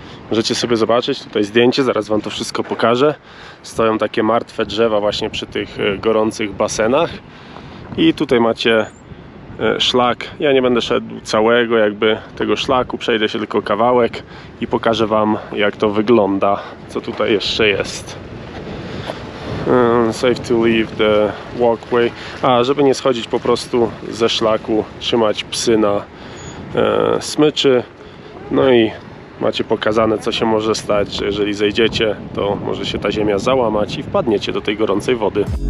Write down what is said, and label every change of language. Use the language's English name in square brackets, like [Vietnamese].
[Polish] Możecie sobie zobaczyć tutaj zdjęcie, zaraz wam to wszystko pokażę. Stoją takie martwe drzewa właśnie przy tych gorących basenach. I tutaj macie szlak. Ja nie będę szedł całego jakby tego szlaku, przejdę się tylko kawałek i pokażę wam, jak to wygląda, co tutaj jeszcze jest. [English] Safe to leave the walkway. [Polish] A żeby nie schodzić po prostu ze szlaku, trzymać psy na smyczy. No i macie pokazane, co się może stać, że jeżeli zejdziecie, to może się ta ziemia załamać i wpadniecie do tej gorącej wody.